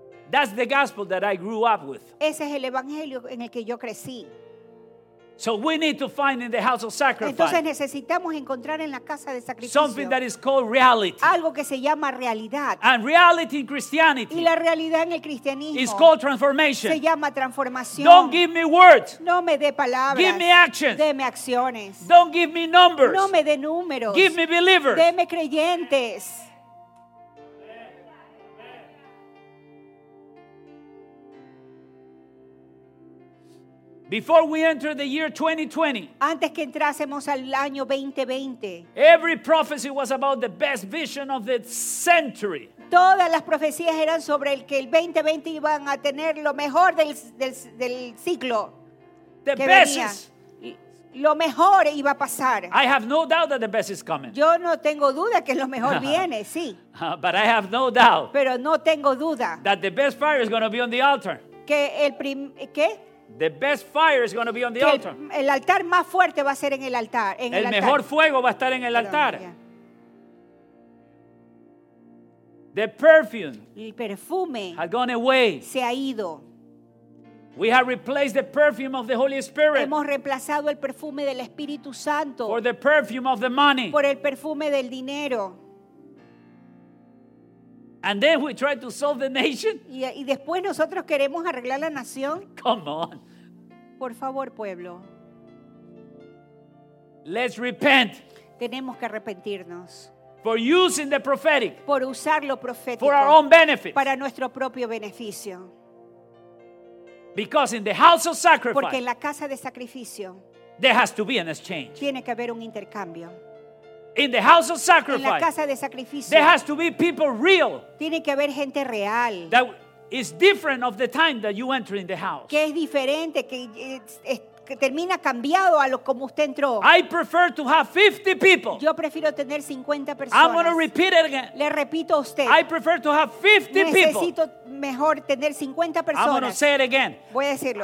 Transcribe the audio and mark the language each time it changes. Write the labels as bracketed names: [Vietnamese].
[English] That's the gospel that I grew up with. [Spanish] Ese es el evangelio en el que yo crecí. [English] So we need to find in the house of sacrifice. [Spanish] Entonces necesitamos encontrar en la casa de sacrificio. [English] Something that is called reality. [Spanish] Algo que se llama realidad. [English] And reality in Christianity. [Spanish] Y la realidad en el cristianismo. [English] Is called transformation. [Spanish] Se llama transformación. [English] Don't give me words. [Spanish] No me dé palabras. [English] Give me actions. [Spanish] Deme acciones. [English] Don't give me numbers. [Spanish] No me dé números. [English] Give me believers. [Spanish] Deme creyentes. [English] Before we enter the year 2020, [Spanish] antes que entrásemos al año 2020, [English] every prophecy was about the best vision of the century. [Spanish] Todas las profecías eran sobre el que el 2020 iban a tener lo mejor del ciclo. [English] The [Spanish] que [English] best [Spanish] venía. [English] Is, [Spanish] lo mejor iba a pasar. [English] I have no doubt that the best is coming. [Spanish] Yo no tengo duda que lo mejor viene, sí. [English] But I have no doubt. [Spanish] Pero no tengo duda. [English] That the best fire is going to be on the altar. [Spanish] Que el ¿qué? [English] The best fire is going to be on the altar. [Spanish] El altar más fuerte va a ser en el altar. En el mejor fuego va a estar en el altar. [English] The perfume. [Spanish] El perfume. [English] Has gone away. [Spanish] Se ha ido. [English] We have replaced the perfume of the Holy Spirit. [Spanish] Hemos reemplazado el perfume del Espíritu Santo. [English] For the perfume of the money. [Spanish] Por el perfume del dinero. [English] And then we try to solve the nation. [Spanish] Y después nosotros queremos arreglar la nación. [English] Come on. [Spanish] Por favor, pueblo. [English] Let's repent. [Spanish] Tenemos que arrepentirnos. [English] For using the prophetic. [Spanish] Por usar lo profético. [English] For our own benefit. [Spanish] Para nuestro propio beneficio. [English] Because in the house of sacrifice. [Spanish] Porque en la casa de sacrificio. [English] There has to be an exchange. [Spanish] Tiene que haber un intercambio. [English] In the house of sacrifice. [Spanish] En la casa de sacrificio. [English] There has to be people real. [Spanish] Tiene que haber gente real. [English] That is different of the time that you enter in the house. [Spanish] Que es diferente, que termina cambiado a lo como usted entró. [English] I prefer to have 50 people. [Spanish] Yo prefiero tener 50 personas. [English] I'm going to repeat it again. [Spanish] Le repito a usted. [English] I prefer to have 50 [Spanish] necesito [English] people. [Spanish] Mejor tener 50 personas. [English] I'm going to say it again. [Spanish] Voy a decirlo.